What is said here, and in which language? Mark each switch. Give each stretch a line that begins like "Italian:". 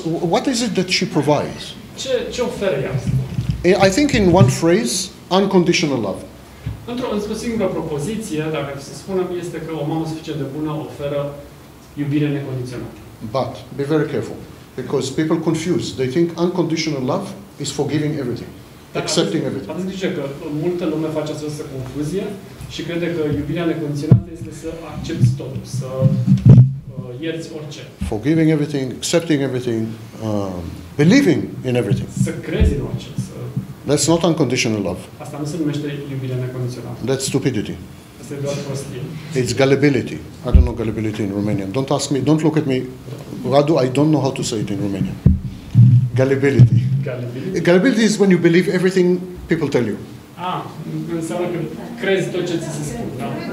English: What is it that she provides?
Romanian: Ce oferă ea asta?
English: I think in one phrase, unconditional love.
Romanian: Într-o singură propoziție, dacă să spunem, este că o mamă suficient de bună oferă iubire necondiționată.
English: But be very careful, because people confuse. They think unconditional love is forgiving everything, accepting everything.
Romanian: Atunci zice că multă lume face această confuzie și crede că iubirea necondiționată este să accepți totul, să ierți orice.
English: Forgiving everything, accepting everything, believing in everything.
Romanian: Să crezi în orice.
English: That's not unconditional love.
Romanian: Asta nu se numește iubire necondiționată.
English: That's stupidity.
Romanian: Asta e doar prostie.
English: It's gullibility. I don't know gullibility in Romanian. Don't ask me, don't look at me. Radu, I don't know how to say it in Romanian. Gullibility. Gullibility? Gullibility is when you believe everything people tell you.
Romanian: Înseamnă că crezi tot ce ți se spune.